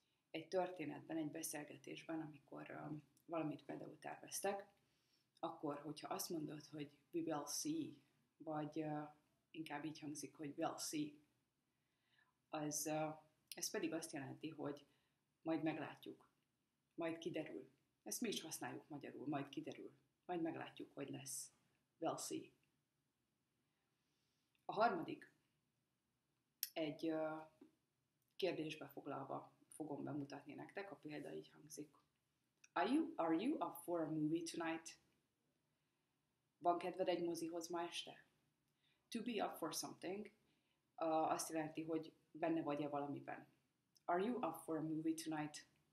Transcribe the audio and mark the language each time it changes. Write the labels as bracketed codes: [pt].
[hu] Egy történetben, egy beszélgetésben, amikor valamit például terveztek, akkor, hogyha azt mondod, hogy [en] we will see, [hu] vagy inkább így hangzik, hogy [en] we'll see, [hu] ez pedig azt jelenti, hogy majd meglátjuk, majd kiderül. Ezt mi is használjuk magyarul, majd kiderül. Majd meglátjuk, hogy lesz. [en] We'll see. [hu] A harmadik egy kérdésbe foglalva fogom bemutatni nektek, a példa így hangzik. [en] Are you up for a movie tonight? [hu] Van kedved egy mozihoz ma este? [en] To be up for something [hu] azt jelenti, hogy benne vagy-e valamiben. [en] Are you up for a movie tonight?